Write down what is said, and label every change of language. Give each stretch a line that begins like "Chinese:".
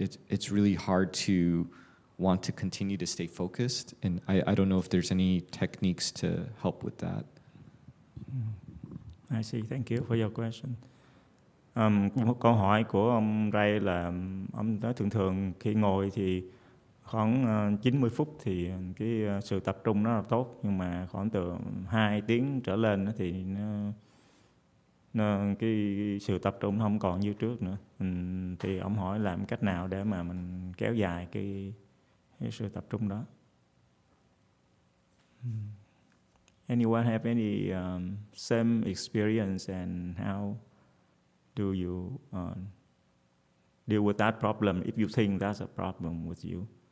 English: It's really hard to want to continue to stay focused, and I don't know if there's any techniques to help with that. I see. Thank you for your question.
Vietnamese: Câu hỏi của ông Ray là ông nói thường thường khi ngồi thì khoảng 90 phút thì cái sự tập trung nó là tốt, nhưng mà khoảng từ 2 tiếng trở lên thì nó cái sự tập trung nó không còn như trước nữa. Thì ông hỏi làm cách nào để mà mình kéo dài cái sự tập trung đó.
English: Anyone have any same experience, and how do you deal with that problem if you think that's a problem with you?